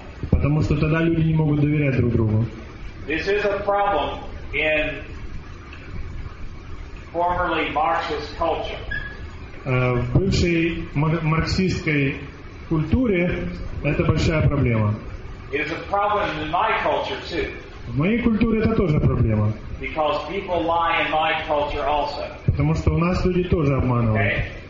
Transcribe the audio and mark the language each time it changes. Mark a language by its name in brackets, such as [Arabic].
[Russian] Потому что тогда люди не могут доверять друг другу. [English] This is a problem in formerly Marxist culture. [Russian] В бывшей марксистской культуре это большая проблема. [English] It is a problem in my culture too. [Russian] В моей культуре это тоже проблема. [English] Because people lie in my culture also. [Russian] Потому что у нас люди тоже обманывают.